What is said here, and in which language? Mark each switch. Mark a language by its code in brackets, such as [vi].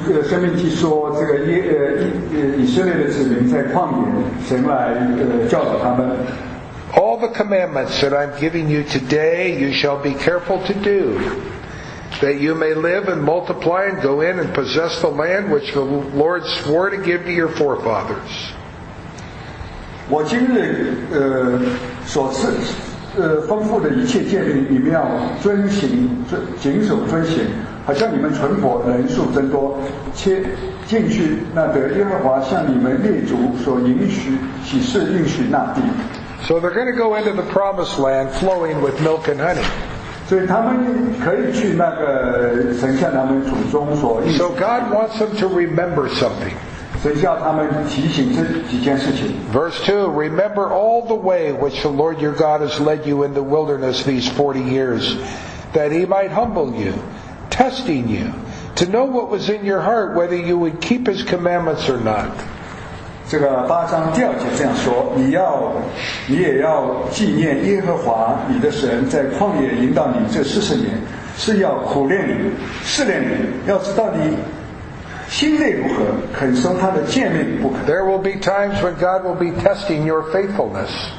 [zh] 生命记说这个以色列的子民在旷野，神来教导他们。 [en] All the commandments that I'm giving you today you shall be careful to do, that you may live and multiply and go in and possess the land which the Lord swore to give to your forefathers. [zh] 我今日所赐吩咐的一切诫命你们要遵行谨守遵行，好像你们存活人数增多，且进去那得耶和华向你们列祖所应许起誓应许那地。 [en] So they're going to go into the promised land flowing with milk and honey. [zh] 所以他们可以去那个神向他们祖宗所应许。 [en] So God wants them to remember something. [zh] 神叫他们提醒这几件事情。 [en] Verse 2, remember all the way which the Lord your God has led you in the wilderness these 40 years, that he might humble you, testing you, to know what was in your heart, whether you would keep his commandments or not. [zh] 这个八章第二节这样说，你也要纪念耶和华你的神在旷野引导你这四十年，是要苦练你，试炼你，要知道你心内如何，肯守他的诫命不可。 [en] There will be times when God will be testing your faithfulness.